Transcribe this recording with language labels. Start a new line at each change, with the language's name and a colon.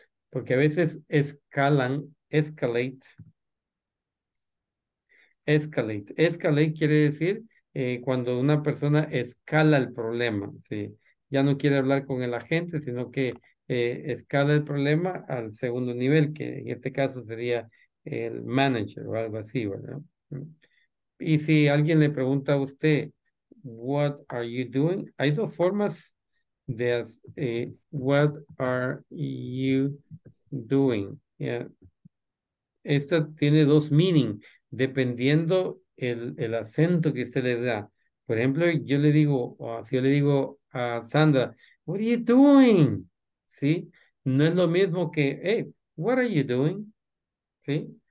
Spanish: Porque a veces escalate quiere decir cuando una persona escala el problema, ¿sí? Ya no quiere hablar con el agente, sino que escala el problema al segundo nivel, que en este caso sería el manager o algo así, ¿verdad? Y si alguien le pregunta a usted,
English: what are you doing?
Spanish: Hay dos formas de
English: what are you doing? Yeah.
Spanish: Esta tiene dos meaning, dependiendo el acento que usted le da. Por ejemplo, yo le digo, o si yo le digo a Sandra,
English: what are you doing?
Spanish: ¿Sí? No es lo mismo que,
English: hey, what are you doing?
Spanish: ¿Sí?